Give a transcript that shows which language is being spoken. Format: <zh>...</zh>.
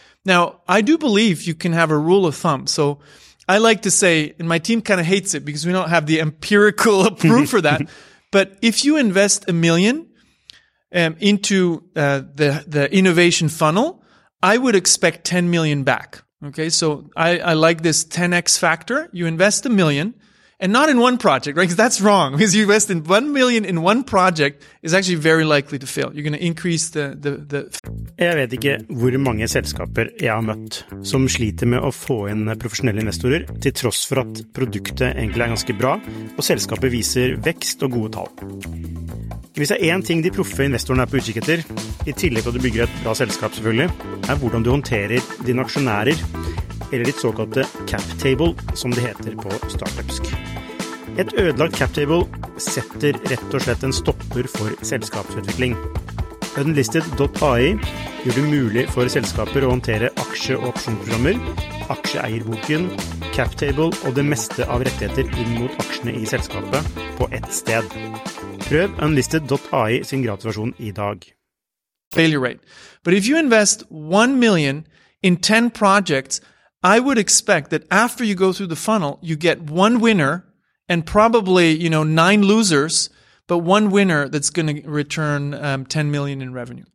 <en>Now, I do believe you can have a rule of thumb. So I like to say, and my team kind of hates it because we don't have the empirical proof for that, but if you invest $1 million into the innovation funnel, I would expect $10 million back. Okay, so I like this 10x factor. You invest $1 million, and not in one project, right? Because that's wrong. Because you invest in $1 million in one project is actually very likely to fail. You're going to increase the.</en> <no>Jeg vet ikke hvor mange selskaper jeg har møtt som sliter med å få inn profesjonelle investorer, til tross for at produktet egentlig ganske bra, og selskapet viser vekst og gode tall. Hvis det en ting de proffe investorene på utkikk etter, I tillegg til at du bygger et bra selskap selvfølgelig, hvordan du håndterer dine aksjonærer, eller ditt såkalte cap table, som det heter på startupsk. Et ødelagt cap table setter rett og slett en stopper for selskapsutvikling. Unlisted.ai gjør det mulig for selskaper å håndtere aksje- og opsjonsprogrammer, aksjeeierboken, captable og det meste av rettigheter inn mot aksjene I selskapet på ett sted. Prøv Unlisted.ai sin gratisversjon I dag.</no> <en>Failure rate. But if you invest 1 million in 10 projects, I would expect that after you go through the funnel, you get one winner and probably, you know, 9 losers, but one winner that's going to return 10 million in revenue.</en>